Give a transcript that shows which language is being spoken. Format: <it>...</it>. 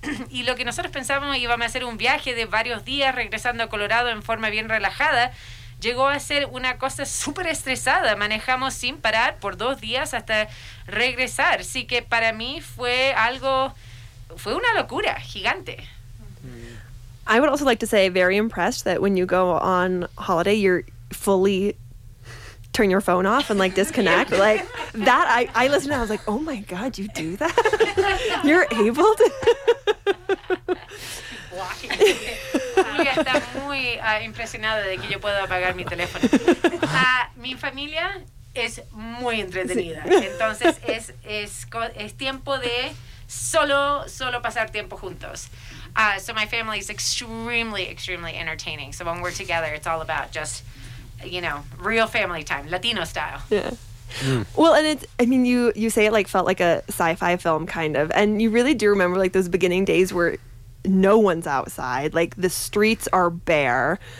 <es>Y lo que nosotros pensábamos, íbamos a hacer un viaje de varios días regresando a Colorado en forma bien relajada, llegó a ser una cosa súper estresada. Manejamos sin parar por 2 días hasta regresar. Así que para mí fue una locura gigante.</es> <en>I would also like to say, very impressed that when you go on holiday, you're fully turn your phone off and, like, disconnect. Yeah. Like, that, I listened, I was like, oh my God, you do that? You're able to? Blocking.</en> <es>Está muy impresionada de que yo pueda apagar mi teléfono. Mi familia es muy entretenida. Entonces, es tiempo de solo pasar tiempo juntos.</es> <en>So my family is extremely, extremely entertaining. So when we're together, it's all about just, you know, real family time, Latino style. Yeah. Mm. Well, and you say it like felt like a sci-fi film kind of, and you really do remember like those beginning days where no one's outside, like the streets are bare.</en>